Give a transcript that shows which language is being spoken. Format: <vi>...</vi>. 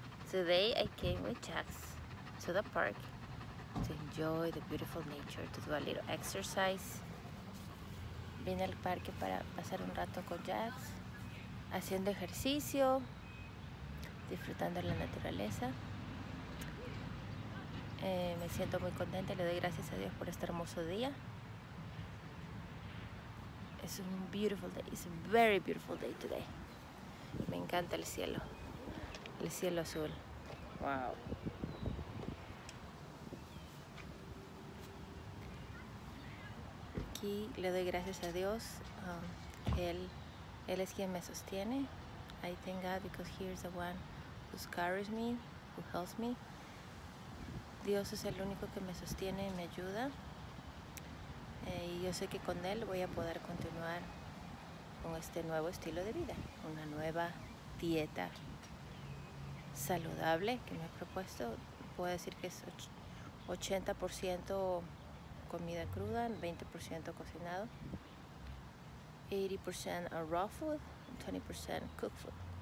<en>Today I came with Jax to the park to enjoy the beautiful nature, to do a little exercise.</en> <es>Vine al parque para pasar un rato con Jax, haciendo ejercicio, disfrutando la naturaleza. Me siento muy contenta, le doy gracias a Dios por este hermoso día.</es> <en>It's a beautiful day. It's a very beautiful day today.</en> <es>Me encanta el cielo. El cielo azul.</es> <en>Wow.</en> <es>Aquí le doy gracias a Dios. Él es quien me sostiene.</es> <en>I thank God because he is the one who carries me, who helps me.</en> <es>Dios es el único que me sostiene y me ayuda. Y yo sé que con él voy a poder continuar con este nuevo estilo de vida, una nueva dieta saludable que me he propuesto. Puedo decir que es 80% comida cruda, 20% cocinado,</es> <en>80% raw food, 20% cooked food.</en>